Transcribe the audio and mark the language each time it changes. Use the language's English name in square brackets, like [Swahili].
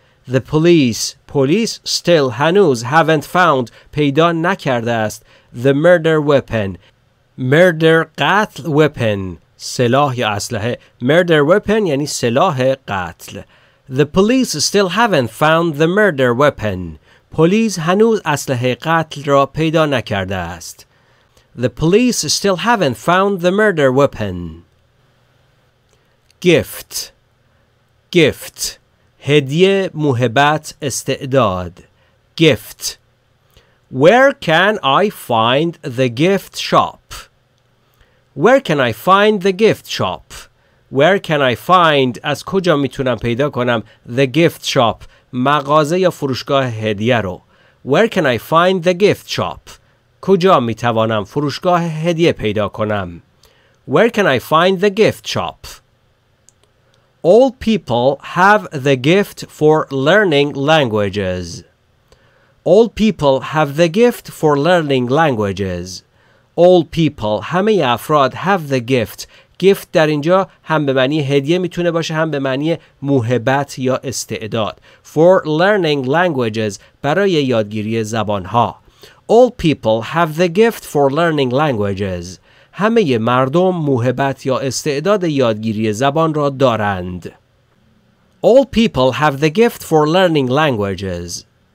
[English] The police still [Persian] هنوز [English] haven't found [Persian] پیدا نکرده است [English] the murder weapon. [Persian] Murder قتل weapon سلاح یا اسلحه. Murder weapon یعنی سلاح قتل. [English] The police still haven't found the murder weapon. [Persian] پلیس هنوز اسلحه قتل را پیدا نکرده است. [English] The police still haven't found the murder weapon. [Persian] Gift. هدیه، موهبت، استعداد. Gift. [English] Where can I find the gift shop? Where can I find the gift shop? Where can I find [Persian] از کجا میتونم پیدا کنم [English] the gift shop؟ [Persian] مغازه یا فروشگاه هدیه رو. [English] Where can I find the gift shop? [Persian] کجا می توانم فروشگاه هدیه پیدا کنم؟ [English] Where can I find the gift shop? All people have the gift for learning languages. All people have the gift for learning languages. All people [Persian] همه افراد [English] have the gift. [Persian] گفت در اینجا هم به معنی هدیه میتونه باشه هم به معنی موهبت یا استعداد. [English] For learning languages [Persian] برای یادگیری زبانها. [English] All people have the gift for learning languages. [Persian] همه مردم موهبت یا استعداد یادگیری زبان را دارند. [English] All people have the gift for learning languages.